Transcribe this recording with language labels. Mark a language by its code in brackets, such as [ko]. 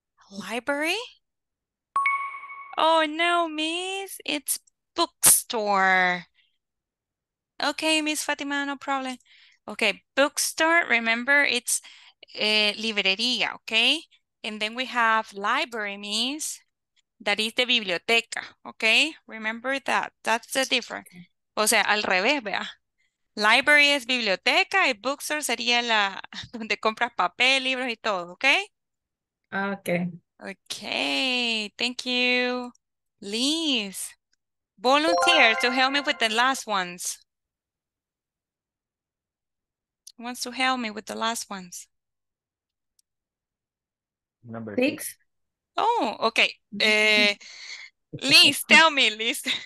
[en] Library? Oh no, Miss, it's bookstore. Okay, Miss Fatima, no problem. Okay, bookstore, remember it's librería, okay? And then we have library, Miss, that is the biblioteca, okay? Remember that, that's the difference. O sea, al revés, vea. [es] Library es biblioteca y bookstore sería la donde compras papel, libros y todo, okay? [en] Okay. Okay, thank you. Liz, volunteer to help me with the last ones. wants to help me with the last ones? Number six. Oh, okay. Liz, tell me, Liz.